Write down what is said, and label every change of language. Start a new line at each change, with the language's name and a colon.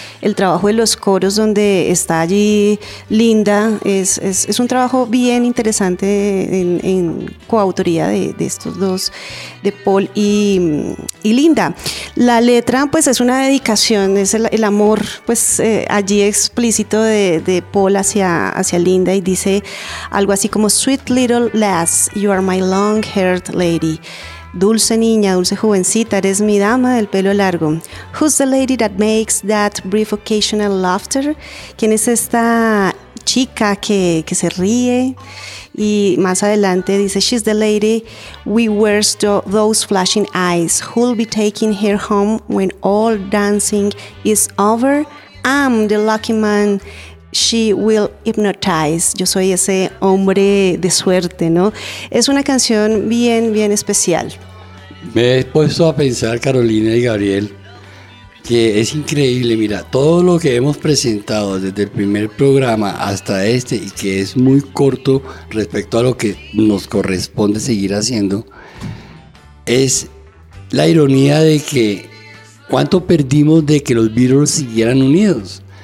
Spanish: El trabajo de los coros donde está allí Linda, es un trabajo bien interesante en coautoría de estos dos, de Paul y Linda. La letra pues es una dedicación, es el amor pues allí explícito de Paul hacia Linda, y dice algo así como:
English: Sweet little lass, you are my long-haired lady.
Spanish: Dulce niña, dulce jovencita, eres mi dama del pelo largo.
English: Who's the lady that makes that brief occasional laughter?
Spanish: ¿Quién es esta chica que se ríe? Y más adelante dice:
English: She's the lady we wears those flashing eyes. Who'll be taking her home when all dancing is over? I'm the lucky man she will hypnotize.
Spanish: Yo soy ese hombre de suerte, ¿no? Es una canción bien, bien especial. Me he puesto a pensar, Carolina y Gabriel, que es increíble. Mira, todo lo que hemos presentado desde el primer programa hasta este, y que es muy corto respecto a lo que nos corresponde seguir haciendo, es la ironía de que cuánto perdimos de que los Beatles siguieran unidos.